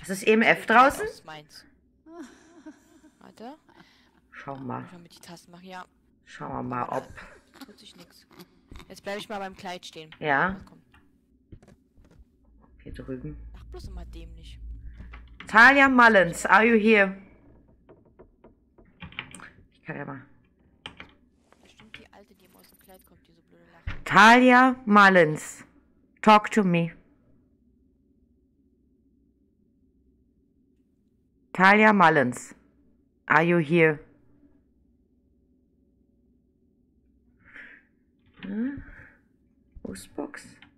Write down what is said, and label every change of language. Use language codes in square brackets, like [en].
[de] Das ist EMF draußen? Das ist meins. Warte. Schau mal. Ich mal mit die Tasten machen, ja. Schauen wir mal, ob. tut sich nichts. Jetzt bleibe ich mal beim Kleid stehen. Ja. Komm. Hier drüben. Mach bloß immer dämlich. [en] Talia Mullins, are you here? [de] Ich kann ja mal. Bestimmt die Alte, die immer aus dem Kleid kommt, die so blöde Lache. [en] Talia Mullins, talk to me. Talia Mullins, are you here? [de] Hm? Ghostbox?